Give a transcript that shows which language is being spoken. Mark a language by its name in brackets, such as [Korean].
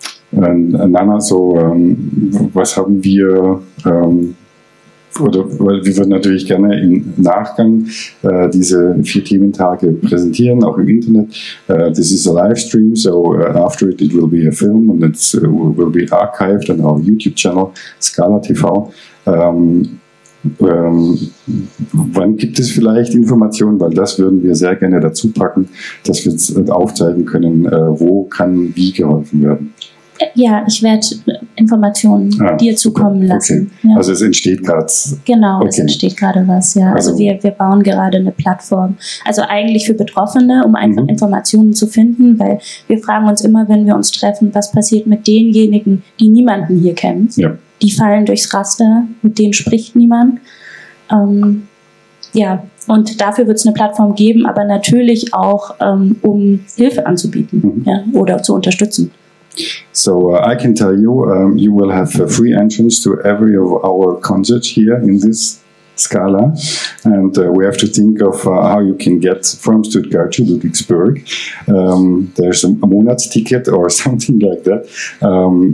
[German] And Nana, so was haben wir, oder weil wir würden natürlich gerne im Nachgang diese vier Thementage präsentieren, auch im Internet. [English] This is a live stream, so after it will be a film and it will be archived on our YouTube channel, Scala TV. [German] Wann gibt es vielleicht Informationen, weil das würden wir sehr gerne dazu packen, dass wir es aufzeigen können, wo kann wie geholfen werden? Ja, ich werde Informationen dir zukommen lassen. Okay. Also es entsteht gerade. Genau, es entsteht gerade was, ja. Also wir bauen gerade eine Plattform. Also eigentlich für Betroffene, um einfach Informationen zu finden, weil wir fragen uns immer, wenn wir uns treffen, was passiert mit denjenigen, die niemanden hier kennen? Ja. Die fallen durchs Raster, mit denen spricht niemand. Und dafür wird es eine Plattform geben, aber natürlich auch, um Hilfe anzubieten oder zu unterstützen. [English] So, I can tell you, you will have a free entrance to every of our concerts here in this Scala. And we have to think of how you can get from Stuttgart to Ludwigsburg. There's a Monatsticket or something like that.